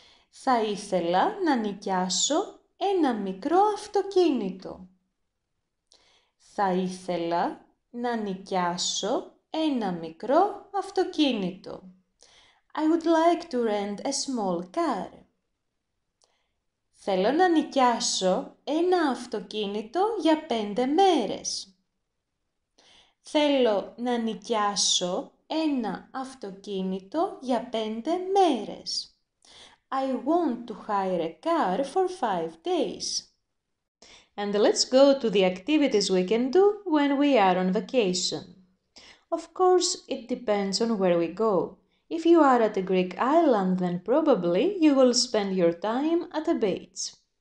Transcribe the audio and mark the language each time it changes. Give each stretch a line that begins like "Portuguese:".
Greek: Θα ήθελα να νοικιάσω ένα μικρό αυτοκίνητο. Θα ήθελα να νοικιάσω ένα μικρό αυτοκίνητο.
English: I would like to rent a small car.
Greek: Θέλω να νοικιάσω ένα αυτοκίνητο για 5 μέρες. Θέλω να νοικιάσω ένα αυτοκίνητο για 5 μέρες.
English: I want to hire a car for 5 days. And let's go to the activities we can do when we are on vacation. Of course, it depends on where we go. If you are at a Greek island, then probably you will spend your time at a beach.